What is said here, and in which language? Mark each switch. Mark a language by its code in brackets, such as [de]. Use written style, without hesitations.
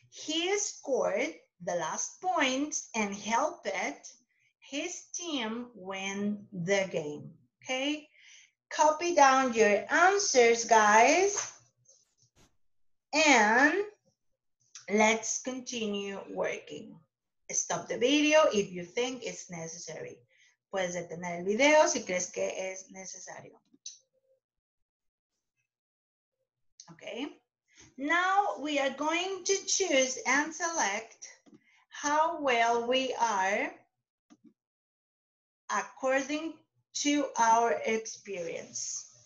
[en] He scored the last point and helped his team win the game. Okay? Copy down your answers, guys. And let's continue working. Stop the video if you think it's necessary. [es] Puedes detener el video si crees que es necesario. [en] Okay. Now we are going to choose and select how well we are according to our experience.